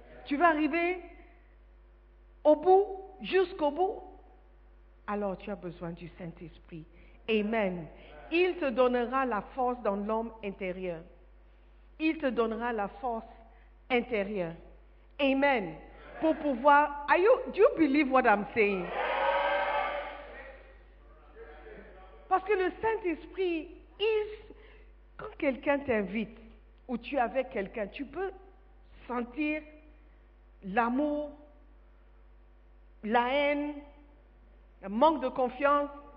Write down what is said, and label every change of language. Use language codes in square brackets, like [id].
[fr] Tu vas arriver au bout, jusqu'au bout. Alors tu as besoin du Saint-Esprit. Amen. Il te donnera la force dans l'homme intérieur. Il te donnera la force intérieure. Amen. Pour pouvoir... [en] Do you believe what I'm saying? [fr] Parce que le Saint-Esprit, quand quelqu'un t'invite, ou tu es avec quelqu'un, tu peux sentir l'amour, la haine, le manque de confiance.